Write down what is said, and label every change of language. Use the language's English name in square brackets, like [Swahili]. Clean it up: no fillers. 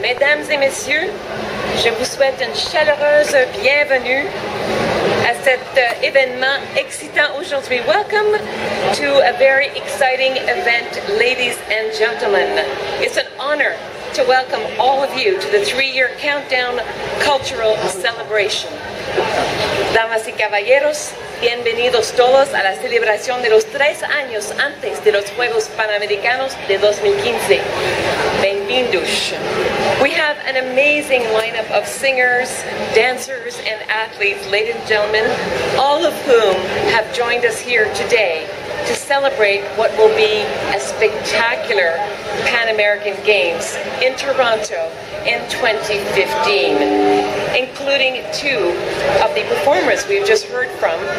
[French] Mesdames et messieurs, je vous souhaite une chaleureuse bienvenue à cet événement excitant aujourd'hui. [English] Welcome to a very exciting event, ladies and gentlemen. It's an honor to welcome all of you to the three-year countdown cultural celebration. [Spanish] Damas y caballeros, bienvenidos todos a la celebración de los tres años antes de los Juegos Panamericanos de 2015. Bienvenidos. [English] We have an amazing lineup of singers, dancers, and athletes, ladies and gentlemen, all of whom have joined us here today to celebrate what will be a spectacular Pan American Games in Toronto in 2015, including two of the performers we've just heard from,